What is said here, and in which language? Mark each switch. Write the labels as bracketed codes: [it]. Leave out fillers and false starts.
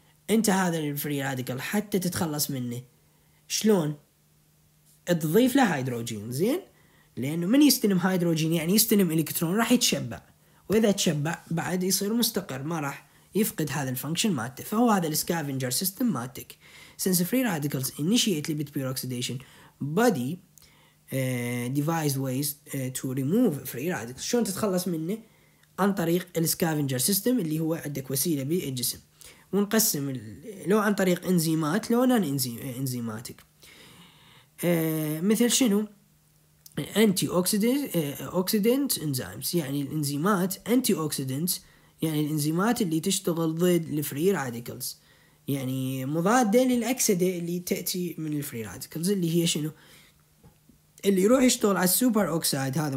[ar] أنت هذا الفري راديكل حتى تتخلص منه شلون؟ تضيف له هيدروجين. زين, لأنه من يستلم هيدروجين يعني يستلم إلكترون راح يتشبع, وإذا تشبع بعد يصير مستقر ما راح يفقد هذا الفانكشن مالته. فهو هذا السكافنجر سيستم مالتك. [en] since free radicals initiate lipid peroxidation body devised ways to remove free radicals. [ar] شلون تتخلص منه؟ عن طريق السكافنجر سيستم اللي هو عندك وسيلة بالجسم. ونقسم لو عن طريق انزيمات لو نان انزيماتك. مثل شنو؟ انتي اوكسيدنت انزيمز، يعني الانزيمات انتي اوكسيدنت، يعني الانزيمات اللي تشتغل ضد الفري راديكلز، يعني مضادة للأكسدة اللي تأتي من الفري راديكلز، اللي هي شنو؟ اللي يروح يشتغل على السوبر أوكسايد هذا.